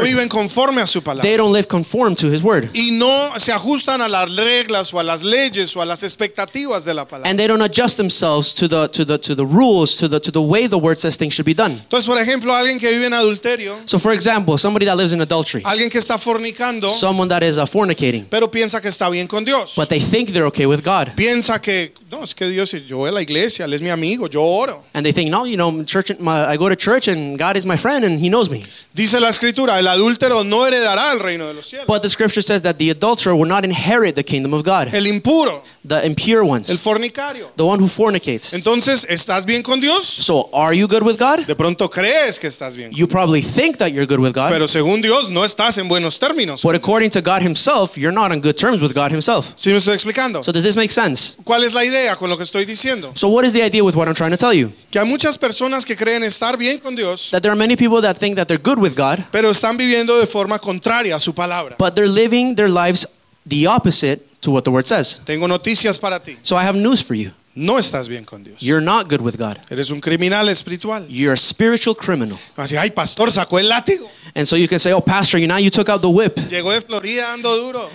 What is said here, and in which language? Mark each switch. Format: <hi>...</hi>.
<es>No viven conforme a su palabra.</es> <en>They don't live conform to his word.</en> <es>Y no se ajustan a las reglas o a las leyes o a las expectativas de la palabra.</es> <en>And they don't adjust themselves to the rules, to the way the word says things should be done.</en> <es>Entonces, por ejemplo, alguien que vive en adulterio.</es> <en>So for example, somebody that lives in adultery.</en> <es>Alguien que está fornicando.</es> <en>Someone that is fornicating.</en> <es>Pero piensa que está bien con Dios.</es> <en>But they think they're okay with God.</en> <es>Piensa que no, es que Dios, yo voy a la iglesia, él es mi amigo, yo oro.</es> <en>And they think, no, you know, church, I go to church and God is my friend and he knows me.</en> <es>Dice la escritura, el adúltero no heredará el reino de los cielos.</es> <en>But the scripture says that the adulterer will not inherit the kingdom of God.</en> <es>El impuro,</es> <en>the impure ones,</en> <es>el fornicario,</es> <en>the one who fornicates.</en> <es>Entonces, ¿estás bien con Dios?</es> <en>So are you good with God?</en> <es>De pronto crees que estás bien.</es> <en>You probably think that you're good with God.</en> <es>Pero según Dios, no estás en buenos términos.</es> <en>But according to God himself, you're not on good terms with God himself.</en> <es>¿Sí me estoy explicando?</es> <en>So does this make sense?</en> <es>¿Cuál es la idea con lo que estoy diciendo?</es> <en>So what is the idea with what I'm trying to tell you?</en> <es>Que hay muchas personas que creen estar bien con Dios.</es> <en>That there are many people that think that they're good with God.</en> <es>Pero están viviendo de forma contraria a su palabra.</es> <en>But they're living their lives the opposite to what the word says.</en> <es>Tengo noticias para ti.</es> <en>So I have news for you.</en> <es>No estás bien con Dios.</es> <en>You're not good with God.</en> <es>Eres un criminal espiritual.</es> <en>You're a spiritual criminal.</en> <es>Así, ay, pastor, sacó el látigo.</es> <en>And so you can say, oh, pastor, you, now you took out the whip.</en> <es>Llegó de Florida, ando duro.</es>